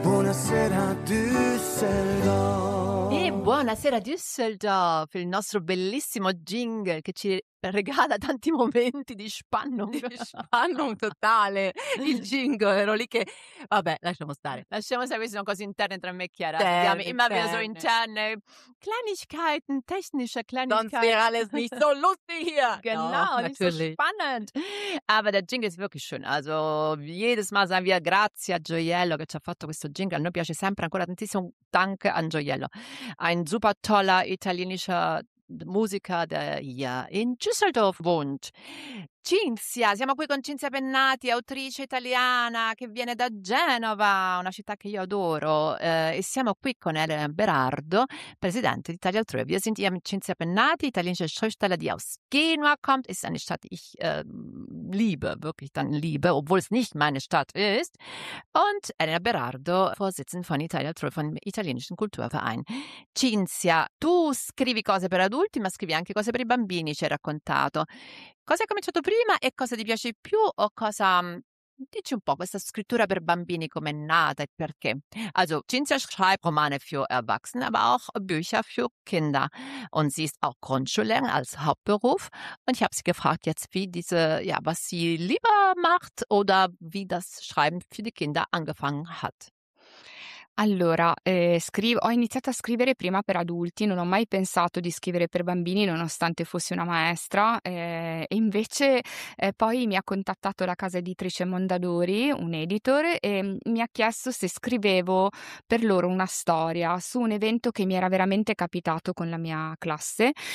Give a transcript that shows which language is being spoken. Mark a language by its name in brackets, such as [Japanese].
[Italian] Buonasera Düsseldorf. E buonasera Düsseldorf, il nostro bellissimo jingle che ci regala tanti momenti di spannung. Di spannung totale, il jingle, ero lì che... Vabbè, lasciamo stare. Lasciamo stare, queste sono cose interne tra me e Chiara. Siamo [German] immer wieder so [Italian] interne. [German] Kleinigkeiten, technische Kleinigkeiten. Sonst wäre alles nicht so lustig hier. Genau, no, nicht so spannend. Aber der jingle ist wirklich schön. Also, jedes Mal sagen wir [Italian] grazie a Gioiello che ci ha fatto questo jingle. A noi piace sempre ancora tantissimo. [German] Danke an Gioiello. Ein super toller italienischer Musiker, der ja in Düsseldorf wohnt. [Italian] Cinzia, siamo qui con Cinzia Pennati, autrice italiana che viene da Genova, una città che io adoro, e siamo qui con Elena Berardo, presidente di Italia Altrove. [German] Wir sind hier mit Cinzia Pennati, italienische Schriftsteller, die aus Genua kommt. Ist eine Stadt, ich liebe, wirklich dann liebe, obwohl es nicht meine Stadt ist. Und Elena Berardo, Vorsitzende von Italia Altrove, von dem italienischen Kulturverein. [Italian] Cinzia, tu scrivi cose per adulti, ma scrivi anche cose per i bambini, ci hai raccontato. Cosa hai cominciato prima e cosa ti piace di più? O cosa... Dici un po' questa scrittura per bambini, com'è nata e perché? [German] Also, Cinzia schreibt Romane für Erwachsene, aber auch Bücher für Kinder. Und sie ist auch Grundschullehrerin als Hauptberuf. Und ich habe sie gefragt jetzt, wie diese, ja, was sie lieber macht oder wie das Schreiben für die Kinder angefangen hat. [Italian] Allora, ho iniziato a scrivere prima per adulti, non ho mai pensato di scrivere per bambini nonostante fossi una maestra, e invece poi mi ha contattato la casa editrice Mondadori, un editor, e mi ha chiesto se scrivevo per loro una storia su un evento che mi era veramente capitato con la mia classe.